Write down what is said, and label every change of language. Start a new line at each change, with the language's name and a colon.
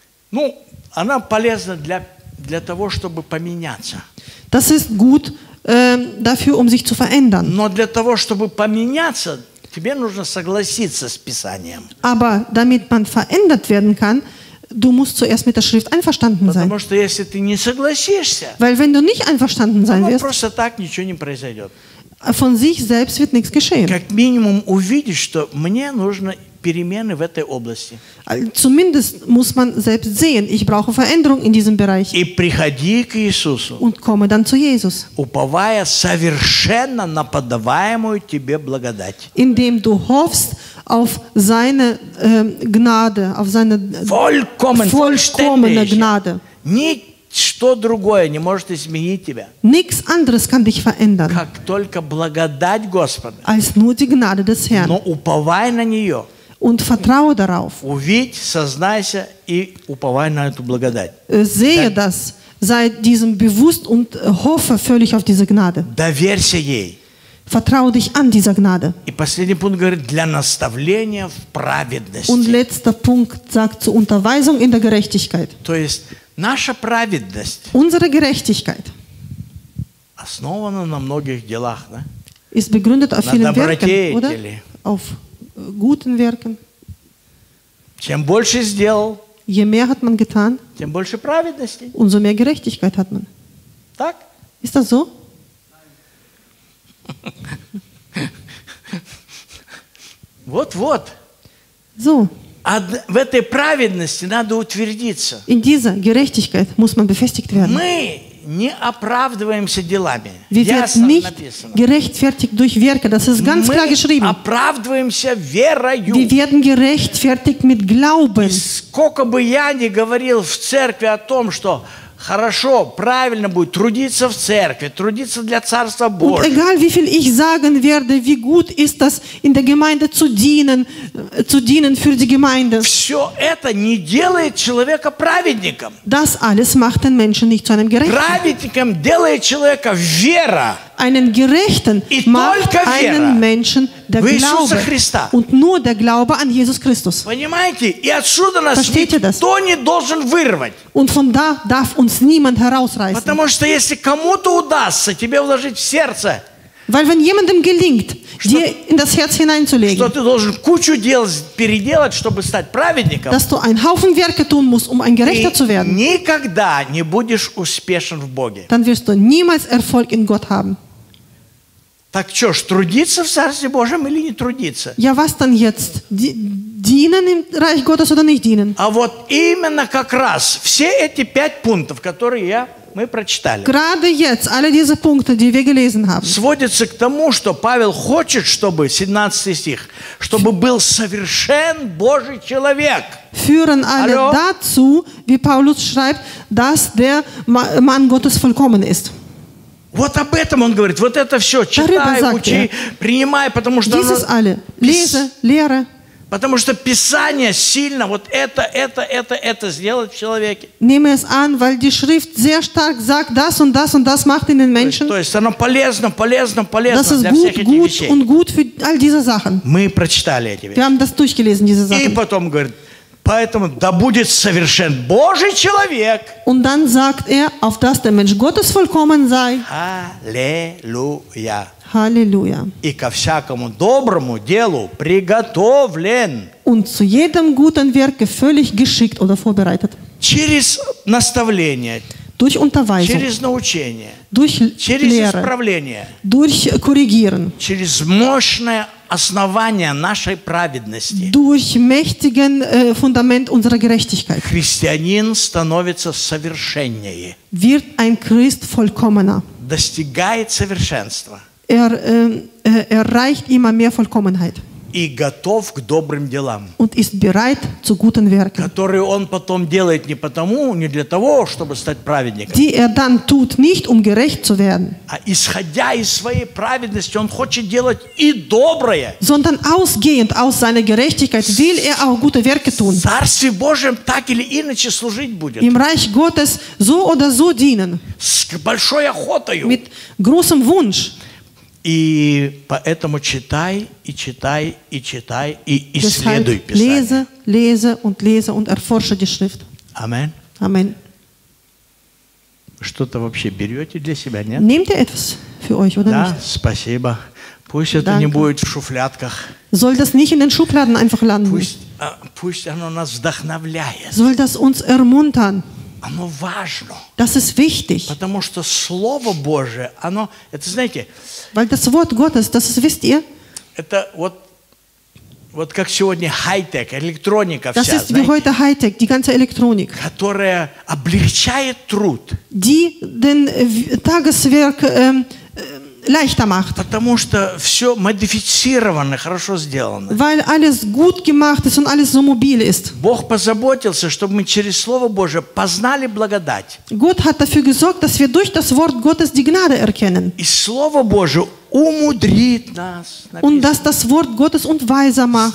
Russian: Ну, она полезна для того, чтобы поменяться.
German: Das ist gut dafür, um sich zu verändern.
Russian: Но для того, чтобы поменяться, тебе нужно согласиться с Писанием.
German: Aber damit man verändert werden kann, du musst zuerst mit der Schrift einverstanden sein.
Russian: Потому что если ты не согласишься,
German: weil wenn du nicht einverstanden sein wirst,
Russian: просто так ничего не произойдет.
German: Von sich selbst wird nichts geschehen.
Russian: Как минимум увидеть, что мне нужны перемены в этой области.
German: Zumindest muss man selbst sehen, ich brauche Veränderung in diesem Bereich.
Russian: И приходи к Иисусу.
German: Und komme dann zu Jesus.
Russian: Уповая совершенно на подаваемую тебе благодать.
German: Indem du hoffst auf seine Gnade, auf seine vollkommene Gnade.
Russian: Ничто другое не может изменить тебя.
German: Nichts anderes kann dich verändern.
Russian: Как только благодать Господа.
German: Als nur die Gnade des Herrn.
Russian: Но уповай на нее.
German: Und vertraue darauf.
Russian: Увидь, сознайся и уповай на эту благодать.
German: Sehe das, sei diesem bewusst und hoffe völlig auf diese Gnade.
Russian: Доверься ей.
German: Vertraue dich an dieser Gnade.
Russian: И последний пункт говорит для наставления в праведности.
German: Und letzter Punkt sagt zur Unterweisung in der Gerechtigkeit.
Russian: То есть наша праведность.
German: Unsere Gerechtigkeit.
Russian: Основана на многих делах, да?
German: Ist begründet auf
Russian: на
German: vielen Werken, oder? Auf guten Werken.
Russian: Чем больше сделал,
German: je mehr hat man getan,
Russian: тем больше праведности.
German: Umso mehr Gerechtigkeit hat man.
Russian: Так?
German: Ist das so?
Russian: Вот-вот.
German: So.
Russian: В этой праведности надо утвердиться.
German: In dieser Gerechtigkeit muss man befestigt werden.
Russian: Мы не оправдываемся делами.
German: Wir werden nicht gerechtfertigt durch Werke. Das ist ganz klar geschrieben.
Russian: Мы оправдываемся верою.
German: Wir werden gerechtfertigt mit Glauben.
Russian: Сколько бы я ни говорил в церкви о том, что Хорошо, правильно будет трудиться в церкви, трудиться для Царства Божьего.
German: Und egal wie viel ich sagen werde, wie gut ist das in der Gemeinde zu dienen für die Gemeinde.
Russian: Все это не делает человека праведником.
German: Das alles macht den Menschen nicht zu einem Gerechten.
Russian: Праведником делает человека вера.
German: Einen Gerechten И macht einen Menschen der Glaube.
Russian: Христа.
German: Und nur der Glaube an Jesus Christus.
Russian: Понимаете? И отсюда нас
German: Verstehte
Russian: никто
German: das?
Russian: Не должен вырвать.
German: Und von da darf uns niemand herausreißen.
Russian: Потому что если кому-то удастся тебе вложить в сердце,
German: Weil wenn jemandem gelingt,
Russian: что,
German: dir in das Herz hineinzulegen,
Russian: что ты должен кучу дел переделать, чтобы стать праведником,
German: dass du einen Haufen Werke tun musst, um ein Gerechter zu werden,
Russian: никогда не будешь успешен в Боге.
German: Dann wirst du niemals Erfolg in Gott haben.
Russian: Так что ж, трудиться в Царстве Божьем или не трудиться?
German: Ja, was dann jetzt? Dienen im Reich Gottes oder nicht dienen?
Russian: А вот именно как раз все эти пять пунктов, которые я Мы прочитали.
German: Gerade jetzt, alle diese Punkte, die wir gelesen haben.
Russian: Сводится к тому, что Павел хочет, чтобы, 17 стих, чтобы был совершен Божий человек.
German: Führen alle
Russian: Алло?
German: Dazu, wie Paulus schreibt, dass der Mann Gottes vollkommen ist.
Russian: Вот об этом он говорит. Вот это все. Читай, учи, принимай, потому что...
German: Dieses alle. Lese, lehre.
Russian: Потому что Писание сильно вот это сделает в человеке.
German: Nehme es an, weil die Schrift sehr stark sagt, das und das und das macht in den Menschen.
Russian: То есть оно полезно
German: das ist
Russian: для
German: gut,
Russian: всех этих вещей.
German: Und gut für all diese Sachen.
Russian: Мы прочитали эти вещи.
German: Wir haben das durchgelesen, diese Sachen.
Russian: И потом говорит, поэтому да будет совершен Божий человек.
German: Und dann sagt er, auf dass der Mensch Gottes vollkommen sei. Halleluja. Halleluja.
Russian: И ко всякому доброму делу приготовлен.
German: Und zu jedem guten Werke völlig geschickt oder vorbereitet.
Russian: Через наставление.
German: Durch Unterweisung.
Russian: Через научение.
German: Durch
Russian: через
German: Lehre.
Russian: Исправление.
German: Durch korrigieren.
Russian: Через мощное основание нашей праведности.
German: Durch mächtigen Fundament unserer Gerechtigkeit.
Russian: Христианин становится совершеннее.
German: Wird ein Christ vollkommener.
Russian: Достигает совершенства.
German: Erreicht immer mehr Vollkommenheit.
Russian: И готов к добрым делам.
German: Und ist bereit zu guten Werken.
Russian: Которые он потом делает не потому, не для того, чтобы стать праведником.
German: Die dann tut nicht, um gerecht zu werden.
Russian: А исходя из своей праведности, он хочет делать и доброе.
German: Sondern ausgehend aus seiner Gerechtigkeit will auch gute Werke tun.
Russian: В Царстве Божьем так или иначе служить будет.
German: Im Reich Gottes so oder so dienen.
Russian: С большой охотою.
German: Mit großem Wunsch.
Russian: И поэтому читай, и читай, и читай, и исследуй Писание.
German: Deshalb lese und lese und erforsche die Schrift. Amen. Amen.
Russian: Что-то вообще берете для себя, нет?
German: Nehmt ihr etwas für euch, oder
Russian: да,
German: nicht?
Russian: Спасибо. Пусть это
German: Danke.
Russian: Не будет в шуфлядках.
German: Soll das nicht in den Schubladen einfach landen?
Russian: Пусть оно нас вдохновляет.
German: Soll das uns ermuntern?
Russian: Оно важно.
German: Das ist wichtig.
Russian: Потому что Слово Божие, оно, это знаете,
German: Weil das Wort Gottes, das ist, wisst ihr,
Russian: это вот как сегодня хай-тек, электроника
German: das
Russian: вся,
German: ist
Russian: знаете,
German: wie heute high-tech, die ganze Elektronik,
Russian: которая облегчает труд,
German: die den Tageswerk leichter macht.
Russian: Потому что все модифицировано, хорошо сделано.
German: Weil alles gut gemacht ist und alles so mobil ist.
Russian: Бог позаботился, чтобы мы через Слово Божие познали благодать.
German: Gott hat dafür gesorgt, dass wir durch das Wort Gottes die Gnade erkennen.
Russian: И Слово Божие умудрит нас. Написано.
German: Und dass das Wort Gottes uns weiser macht.